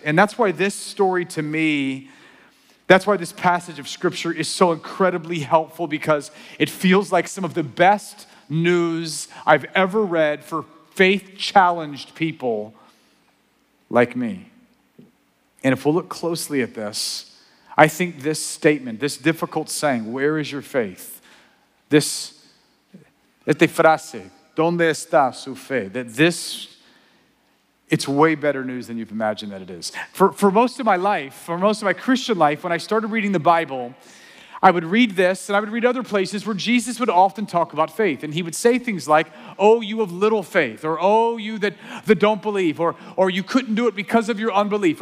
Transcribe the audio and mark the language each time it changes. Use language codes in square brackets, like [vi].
[en] And that's why this story to me, that's why this passage of scripture is so incredibly helpful, because it feels like some of the best news I've ever read for faith-challenged people like me. And if we'll look closely at this, I think this statement, this difficult saying, where is your faith? [es] Este frase, ¿dónde está su fe? [en] That this, it's way better news than you've imagined that it is. For most of my life, for most of my Christian life, when I started reading the Bible, I would read this and I would read other places where Jesus would often talk about faith. And he would say things like, oh, you of little faith, or oh, you that don't believe, or you couldn't do it because of your unbelief.